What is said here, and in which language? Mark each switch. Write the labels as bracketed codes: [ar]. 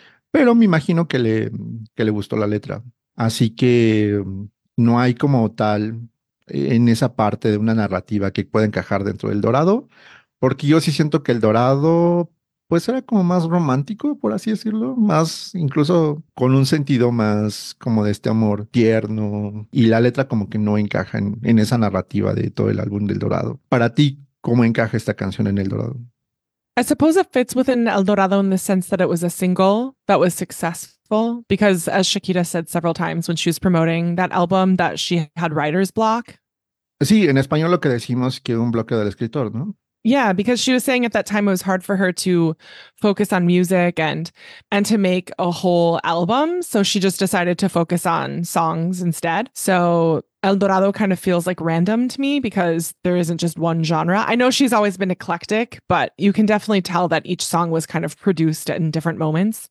[es] Pero me imagino que le gustó la letra. Así que no hay como tal en esa parte de una narrativa que pueda encajar dentro del Dorado, porque yo sí siento que el Dorado pues era como más romántico, por así decirlo, más incluso con un sentido más como de este amor tierno, y la letra como que no encaja en esa narrativa de todo el álbum del Dorado. Para ti, ¿cómo encaja esta canción en el Dorado? [en] I suppose it fits within El Dorado in the sense that it was a single that was successful, because as Shakira said several times when she was promoting that album, that she had writer's block. [es] Sí, en español lo que decimos que un bloqueo del escritor, ¿no? [en] Yeah, because she was saying at that time it was hard for her to focus on music and to make a whole album. So she just decided to focus on songs instead. So El Dorado kind of feels like random to me because there isn't just one genre. I know she's always been eclectic, but you can definitely tell that each song was kind of produced in different moments.